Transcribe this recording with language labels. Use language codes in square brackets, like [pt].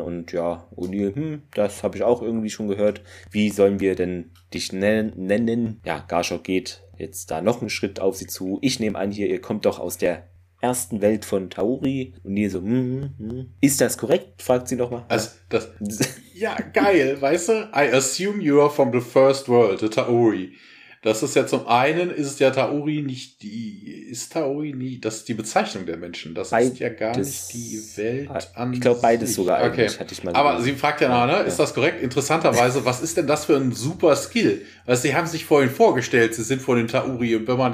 [de] Und ja, O'Neill, das habe ich auch irgendwie schon gehört. Wie sollen wir denn dich nennen? Ja, Garshor geht jetzt da noch einen Schritt auf sie zu. Ich nehme an hier, ihr kommt doch aus der ersten Welt von Tauri. O'Neill so, ist das korrekt? Fragt sie nochmal. Also, das, ja, geil, weißt du? [en] I assume you are from the first world, the Tauri. [de] Das ist ja zum einen, ist ja Tauri nicht die, ist Tauri nie, das ist die Bezeichnung der Menschen. Das beides, ist ja gar nicht die Welt an sich. Ich glaube, beides sogar eigentlich, okay. hatte ich mal gesagt. Aber sie fragt ja nachher, ne? Ist das korrekt? Interessanterweise, was ist denn das für ein super Skill? Weil sie haben sich vorhin vorgestellt, sie sind vor den Tauri und wenn man